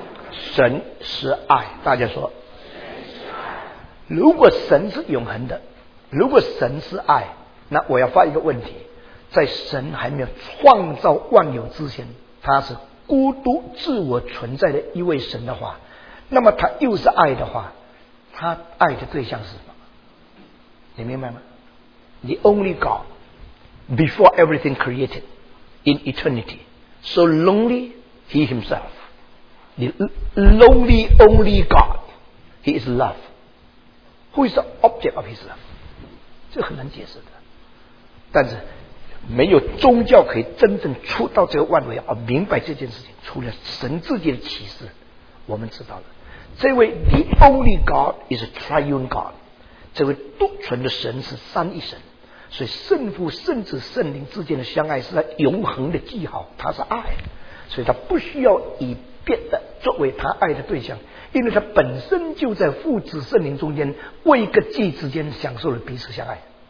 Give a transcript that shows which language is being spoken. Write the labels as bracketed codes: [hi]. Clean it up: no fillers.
[zh] 神是爱，大家说。如果神是永恒的，如果神是爱，那我要发一个问题，在神还没有创造万有之前，他是孤独自我存在的一位神的话，那么他又是爱的话，他爱的对象是什么？你明白吗？ [en] The only God before everything created in eternity, so lonely he himself, the lonely only God, he is love. Who is the object of his love? [zh] 这很难解释的，但是没有宗教可以真正出到这个万维而明白这件事情，除了神自己的启示，我们知道了这位 [en] the only God is a triune God, [zh] 这位独存的神是三一神，所以圣父圣子圣灵之间的相爱是他永恒的记号，他是爱，所以他不需要以别的作为他爱的对象，因为他本身就在父子圣灵中间为一个祭之间享受了彼此相爱。